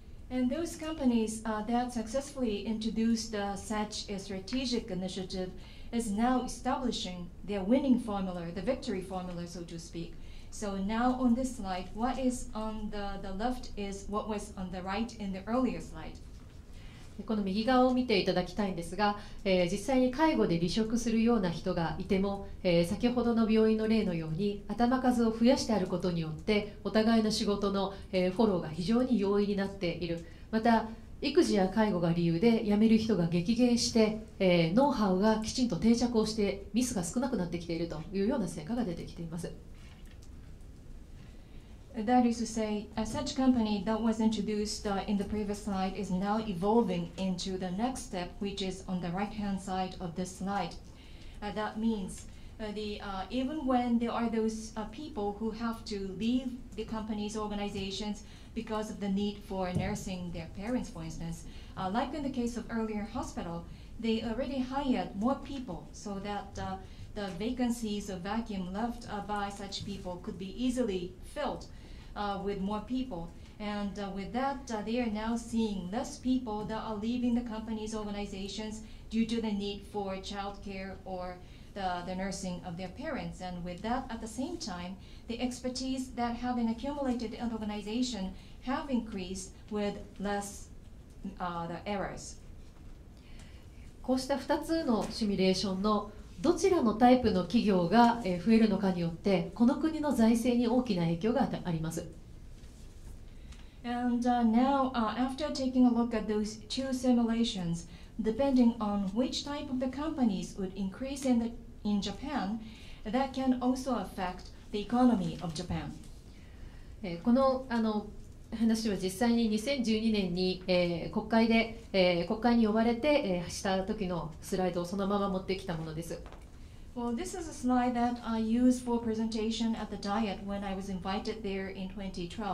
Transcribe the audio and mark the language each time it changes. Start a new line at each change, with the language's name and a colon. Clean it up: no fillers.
English: And those companies that successfully introduced such a strategic initiative is now establishing their winning formula, the victory formula, so to speak. So now on this slide, what is on the left is what was on the right in the earlier slide.
Japanese: この右側を見ていただきたいんですが、実際に介護で離職するような人がいても、先ほどの病院の例のように頭数を増やしてあることによって、お互いの仕事の、フォローが非常に容易になっている。また、育児や介護が理由で辞める人が激減して、ノウハウがきちんと定着をしてミスが少なくなってきているというような成果が出てきています。
English: That is to say, such company that was introduced in the previous slide is now evolving into the next step, which is on the right-hand side of this slide. That means even when there are those people who have to leave the company's organizations because of the need for nursing their parents, for instance, like in the case of earlier hospital, they already hired more people so that the vacancies or vacuum left by such people could be easily filled. With more people. And with that, they are now seeing less people that are leaving the company's organizations due to the need for childcare or the nursing of their parents. And with that, at the same time, the expertise that have been accumulated in the organization have increased with less the errors.
Japanese: こうした2つのシミュレーションのどちらのタイプの企業が増えるのかによって、この国の財政に大きな影響があります。
English: And now, after taking a look at those two simulations, depending on which type of the companies would increase in Japan, that can also affect the economy of Japan.
Japanese: この話は実際に2012年に、国会で、国会に呼ばれて、した時のスライドをそのまま持ってきたものです。
English: Well, this is a slide that I used for presentation at the Diet when I was invited there in 2012.